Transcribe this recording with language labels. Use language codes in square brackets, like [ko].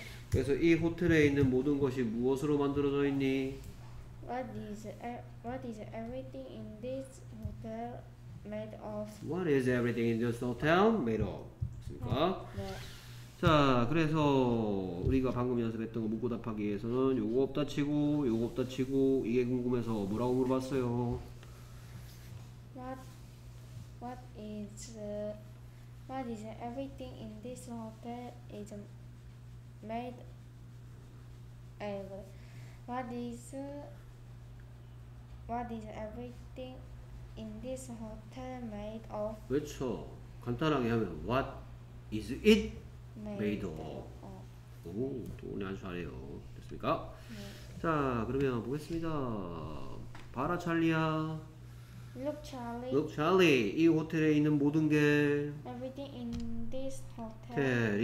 [ko] 그래서 이 호텔에 있는 모든 것이 무엇으로 만들어져 있니? [en] What is everything in this hotel made of? What is everything in this hotel made of? [ko] 됐습니까? 네. 자, 그래서 우리가 방금 연습했던 거 묻고 답하기 위해서는 요거 없다 치고, 요거 없다 치고, 이게 궁금해서 뭐라고 물어봤어요? [en] What is everything in this hotel is made? [ko] 에이, [en] what is everything in this hotel made of? [ko] 그렇죠. 간단하게 하면 [en] What is it made of? [ko] 오, 또 오늘 아주 잘해요. 됐습니까? 알겠습니까? 네. 자, 그러면 보겠습니다. 바라 찰리야. [en] Look, Charlie. Look, Charlie. [ko] 이 호텔에 있는 모든 게 [en] Everything in this hotel